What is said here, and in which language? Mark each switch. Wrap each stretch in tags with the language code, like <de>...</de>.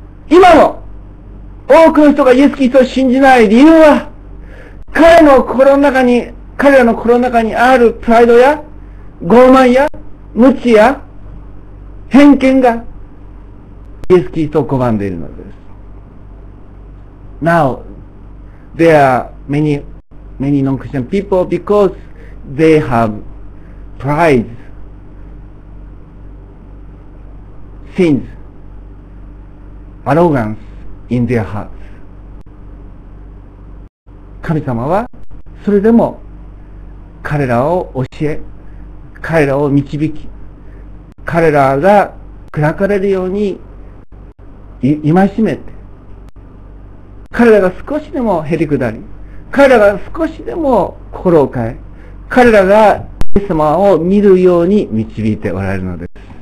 <ja>今も多くの人がイエスキリストを信じない理由は、彼らの心の中にあるプライドや傲慢や無知や偏見がイエスキリストを拒んでいるのです。</ja> <en>Now, there are many non-Christian people because they have pride, sins, arrogance in their heart.</en> <ja>神様はそれでも彼らを教え、彼らを導き、彼らが砕かれるように戒めて、彼らが少しでも減り下り、彼らが少しでも心を変え、彼らがイエス様を見るように導いておられるのです。</ja>